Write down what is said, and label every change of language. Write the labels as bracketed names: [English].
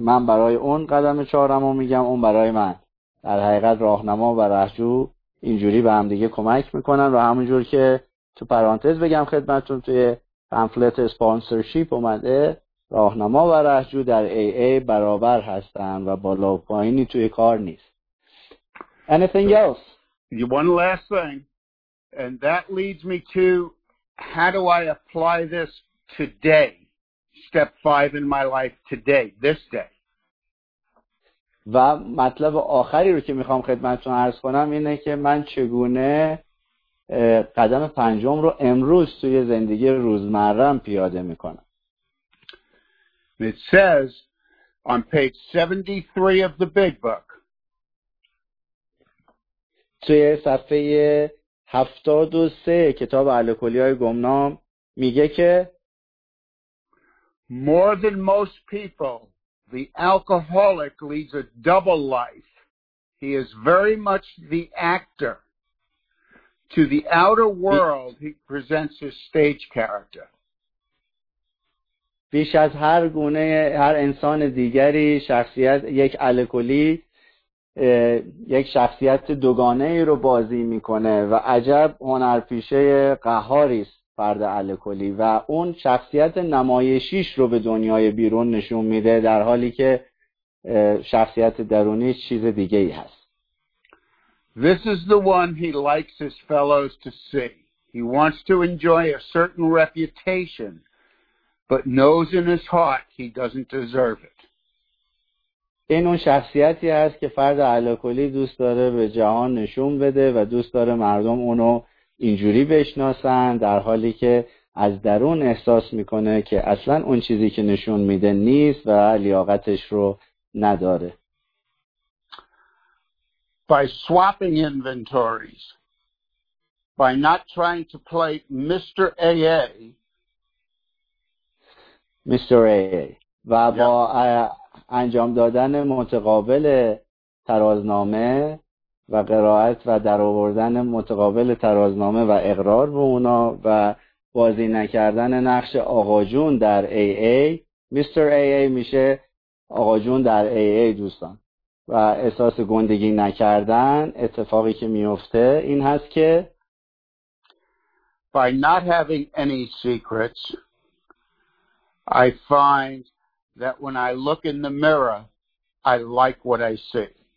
[Persian] من برای اون قدم چهارم رو میگم، اون برای من. در حقیقت راهنما و رهجو اینجوری به هم دیگه کمک میکنن و همونجور که تو پرانتز بگم خدمتون، توی پمفلت سپانسرشیپ اومده راهنما و رهجو در AA برابر هستن و بالا و پایینی توی کار نیست. [English] Anything else? One last thing, and that leads me to how do I apply this today, step 5 in my life today, this day. [Persian] و مطلب آخری رو که میخوام خدمتتون عرض کنم اینه که من چگونه قدم پنجم رو امروز توی زندگی روزمره‌ام پیاده میکنم. [English] It says on page 73 of the big book. [Persian] توی صفحه 73 کتاب الکلی‌های گمنام میگه که [English] more than most people, the alcoholic leads a double life. He is very much the actor. To the outer world, he presents his stage character. [Persian] بیش از هر گونه هر انسان دیگری شخصیت یک الکلی یک شخصیت دوگانه ای رو بازی میکنه و عجب هنرپیشه قهاری است فرد الکلی و اون شخصیت نمایشیش رو به دنیای بیرون نشون میده در حالی که شخصیت درونی چیز دیگه ای هست. [English] This is the one he likes his fellows to see. He wants to enjoy a certain reputation, but knows in his heart he doesn't deserve it. [Persian] این اون شخصیتی هست که فرد الکلی دوست داره به جهان نشون بده و دوست داره مردم اونو اینجوری بشناسن در حالی که از درون احساس میکنه که اصلا اون چیزی که نشون میده نیست و لیاقتش رو نداره. [English] By swapping inventories, by not trying to play Mr. AA. Mr. AA. [Persian] و با انجام دادن متقابل ترازنامه و قرائت و درآوردن متقابل ترازنامه و اقرار به اونا و بازی نکردن نقش آقا جون در AA، میستر AA میشه آقا جون در AA دوستان، و احساس گندگی نکردن اتفاقی که میفته این هست که [English] by not having any secrets I find that when I look in the mirror I like what I see.